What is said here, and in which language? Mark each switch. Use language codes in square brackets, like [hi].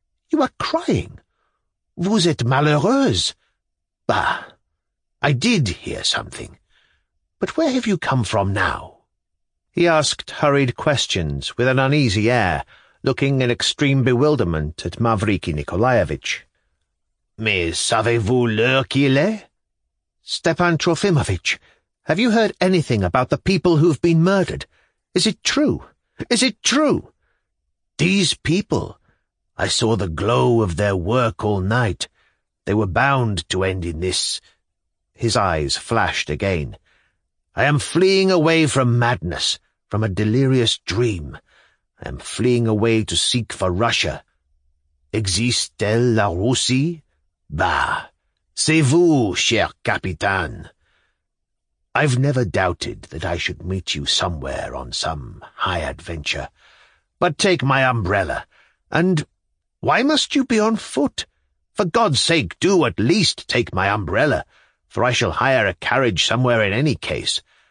[en] You are crying. [fr] Vous êtes malheureuse. [en] Bah! I did hear something. But where have you come from now?" He asked hurried questions with an uneasy air, looking in extreme bewilderment at Mavriky Nikolaevich. [fr] "Mais savez-vous l'heure qu'il est?" [en] "Stepan Trofimovitch, have you heard anything about the people who've been murdered? Is it true? Is it true?" "These people. I saw the glow of their work all night. They were bound to end in this." His eyes flashed again. "I am fleeing away from madness, from a delirious dream. I am fleeing away to seek for Russia. [fr] Existe-t-elle la Russie? Bah! C'est vous, cher capitaine. [en] I've never doubted that I should meet you somewhere on some high adventure. But take my umbrella, and why must you be on foot? For God's sake, do at least take my umbrella, for I shall hire a carriage somewhere in any case.